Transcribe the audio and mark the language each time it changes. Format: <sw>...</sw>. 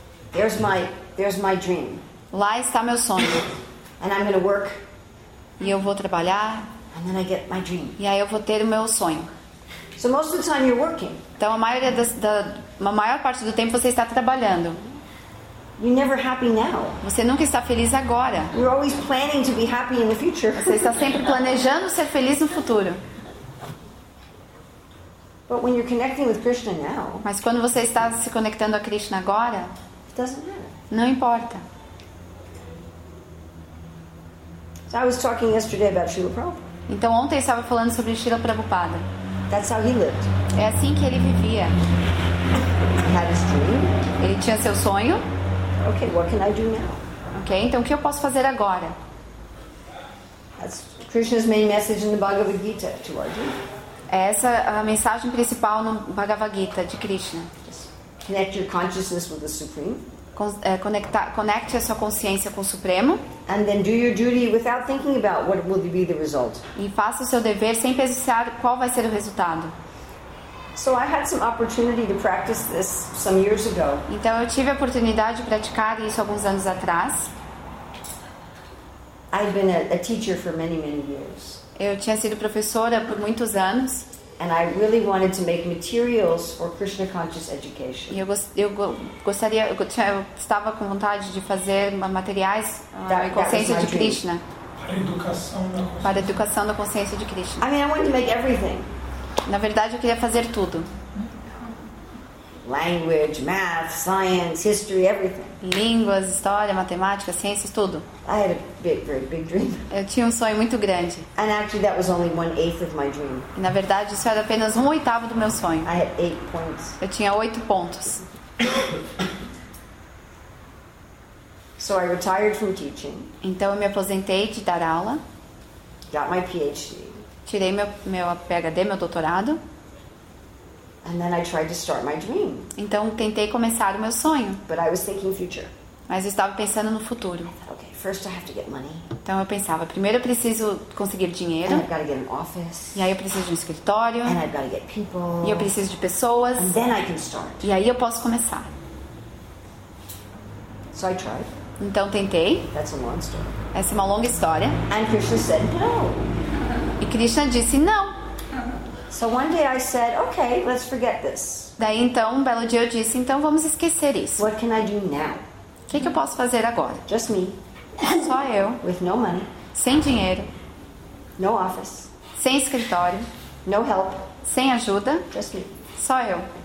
<en>There's my dream.</en> <pt>Lá está meu sonho.</pt> <en>And I'm going to work.</en> <pt>E eu vou trabalhar.</pt> <en>And then I get my dream.</en> <pt>E aí eu vou ter o meu sonho.</pt> <en>So most of the time you're working.</en> <pt>Então a maior parte do tempo você está trabalhando.</pt> <en>You're never happy now.</en> <pt>Você nunca está feliz agora.</pt> <en>You're always planning to be happy in the future.</en> <pt>Você está sempre planejando ser feliz no futuro.</pt> <en>But when you're connecting with Krishna now,</en> <pt>mas quando você está se conectando a Krishna agora,</pt> <en>it doesn't matter.</en> <pt>Não importa.</pt> <en>So I was talking yesterday about Srila Prabhupada.</en> <pt>Então ontem eu estava falando sobre Srila Prabhupada.</pt> <en>That's how he lived.</en> <pt>É assim que ele vivia.</pt> <en>He had his dream.</en> <pt>Ele tinha seu sonho.</pt> <en>Okay, what can I do now?</en> <pt>Okay, então o que eu posso fazer agora?</pt> <en>That's Krishna's main message in the Bhagavad Gita to Arjuna.</en> <pt>É essa a mensagem principal no Bhagavad Gita de Krishna.</pt> <en>Connect your consciousness with the Supreme.</en> <pt>Conecte a sua consciência com o Supremo.</pt> <en>And then do your duty without thinking about what will be the result.</en> <pt>E faça o seu dever sem pensar qual vai ser o resultado.</pt> <en>So I had some opportunity to practice this some years ago.</en> <pt>Então eu tive a oportunidade de praticar isso alguns anos atrás.</pt> <en>I've been a teacher for many, many years.</en> <pt>Eu tinha sido professora por muitos anos.</pt> <en>And I really wanted to make materials for Krishna conscious education.</en> <pt>E eu estava com vontade de fazer materiais para a consciência de Krishna.</pt> <en>That</en> <pt>para a educação da consciência de Krishna.</pt> <en>I mean, I wanted to make everything.</en> <pt>Na verdade, eu queria fazer tudo.</pt> <en>Language, math, science, history, everything.</en> <pt>Línguas, história, matemática, ciências, tudo.</pt> <en>I had a big, very big dream.</en> <pt>Eu tinha um sonho muito grande.</pt> <en>And actually, that was only 1/8 of my dream.</en> <pt>E, na verdade, isso era apenas 1/8 do meu sonho.</pt> <en>I had 8 points.</en> <pt>Eu tinha 8 pontos.</pt> <en>So I retired from teaching.</en> <pt>Então eu me aposentei de dar aula.</pt> <en>Got my PhD.</en> <pt>Tirei meu PhD, meu doutorado.</pt> <en>And then I tried to start my dream.</en> <pt>Então tentei começar o meu sonho.</pt> <en>But I was thinking future.</en> <pt>Mas eu estava pensando no futuro.</pt> <en>I thought, okay, first I have to get money.</en> <pt>Então eu pensava, primeiro eu preciso conseguir dinheiro.</pt> <en>And I've got to get an office.</en> <pt>E aí eu preciso de um escritório.</pt> <en>And I've got to get people.</en> <pt>E eu preciso de pessoas.</pt> <en>And then I can start.</en> <pt>E aí eu posso começar.</pt> <en>So I tried.</en> <pt>Então tentei.</pt> <en>That's a long story.</en> <pt>Essa é uma longa história.</pt> <en>And Krishna said no.</en> <pt>E Krishna disse não.</pt> <en>So one day I said, okay, let's forget this.</en> <pt>Daí então, um belo dia eu disse, então vamos esquecer isso.</pt> <en>What can I do now?</en> <pt>Que eu posso fazer agora?</pt> <en>Just me.</en> <pt>Só eu.</pt> <en>With no money.</en> <pt>Sem dinheiro.</pt> <en>No office.</en> <pt>Sem escritório.</pt> <en>No help.</en> <pt>Sem ajuda.</pt> <en>Just me.</en> <pt>Só eu.</pt>